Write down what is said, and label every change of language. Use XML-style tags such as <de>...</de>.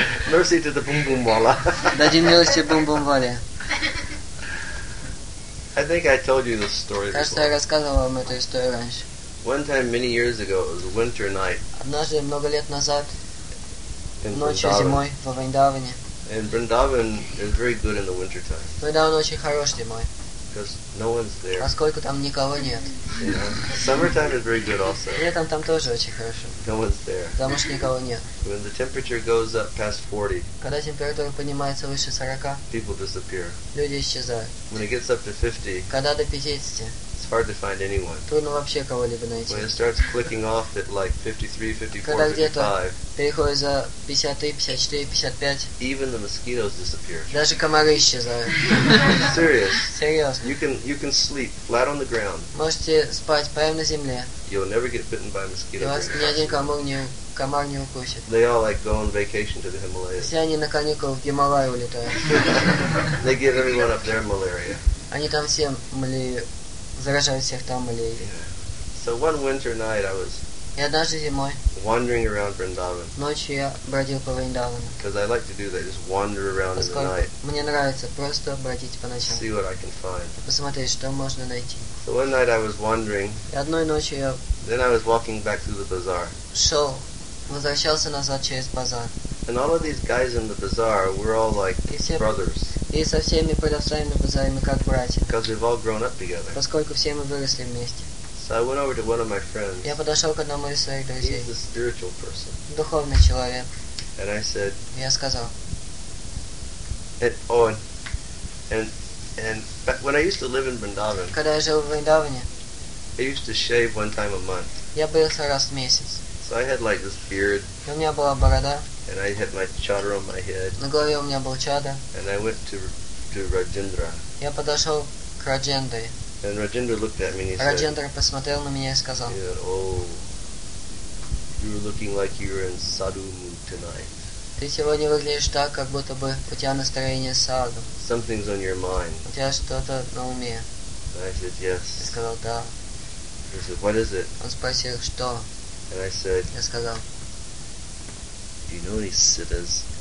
<en>Mercy to the бум бум вала.</en> <ru>Дадим милости бум бум вале.</ru> <en>I think I told you this story.</en> <ru>Кажется, я рассказывал вам эту историю раньше.</ru> <en>One time many years ago, it was a winter night.</en> <ru>Однажды много лет назад. Ночью зимой во Вриндаване.</ru> <en>And Vrindavan is very good in the winter time.</en> <ru>Vrindavan очень хорош зимой.</ru> <en>Because no one's there.</en> <ru>Поскольку там никого нет.</ru> <en>Summertime is very good also.</en> <ru>Летом там тоже очень хорошо.</ru> <en>No one's there.</en> <ru>Потому что никого нет.</ru> <en>When the temperature goes up past 40.</en> <ru>Когда температура поднимается выше 40.</ru> <en>People disappear.</en> <ru>Люди исчезают.</ru> <en>When it gets up to 50.</en> <ru>Когда до 50.</ru> <en>It's hard to find anyone.</en> <ru>Трудно вообще кого-либо найти.</ru> <en>When it starts clicking off at like 53, 54, 55.</en> <ru>Переходит за 53, 54, 55.</ru> <en>Even the mosquitoes disappear.</en> <ru>Даже комары исчезают.</ru> <en>Serious.</en> <ru>Серьезно.</ru> <en>You can sleep flat on the ground.</en> <ru>Можете спать прямо на земле.</ru> <en>You'll never get bitten by a mosquito.</en> <ru>И вас ни один комар не укусит.</ru> <en>They all like go on vacation to the Himalayas.</en> <ru>Все они на каникулы в Гималаи улетают.</ru> <en>They give everyone up there malaria.</en> <ru>Они там всем заражают всех там малярией.</ru> <en>So one winter night I was.</en> <ru>И однажды зимой.</ru> <en>Wandering around Vrindavan.</en> <ru>Ночью я бродил по Вриндавану.</ru> <en>Because I like to do that, just wander around in the night.</en> <ru>Мне нравится просто бродить по ночам.</ru> <en>See what I can find.</en> <ru>Посмотреть, что можно найти.</ru> <en>So one night I was wandering.</en> <ru>И одной ночью я.</ru> <en>Then I was walking back through the bazaar.</en> <ru>Шел возвращался назад через базар.</ru> <en>And all of these guys in the bazaar, we're all like brothers.</en> <ru>И со всеми продавцами на базаре мы как братья.</ru> <en>Because we've all grown up together.</en> <ru>Поскольку все мы выросли вместе.</ru> <en>So I went over to one of my friends.</en> <ru>Я подошел к одному из своих друзей.</ru> <en>He's a spiritual person.</en> <ru>Духовный человек.</ru> <en>And I said.</en> <ru>Я сказал.</ru> <en>And when I used to live in Vrindavan.</en> <ru>Когда я жил в Вриндаване.</ru> <en>I used to shave one time a month.</en> <ru>Я брился раз в месяц.</ru> <en>So I had like this beard.</en> <ru>И у меня была борода.</ru> <en>And I had my chadar on my head.</en> <ru>На голове у меня был чадар.</ru> <en>And I went to Rajendra.</en> <ru>Я подошел к Раджендре.</ru> <en>And Rajendra looked at me and he said.</en> <ru>Раджендра посмотрел на меня и сказал.</ru> <en>He said, "Oh, you were looking like you were in sadhu mood tonight."</en> <ru>Ты сегодня выглядишь так, как будто бы у тебя настроение саду.</ru> <en>Something's on your mind.</en> <ru>У тебя что-то на уме.</ru> <en>And I said, "Yes."</en> <ru>Я сказал да.</ru> <en>He said, "What is it?"</en> <ru>Он спросил что.</ru> <en>And I said.</en> <ru>Я сказал.</ru> <en>Do you know any siddhas?</en>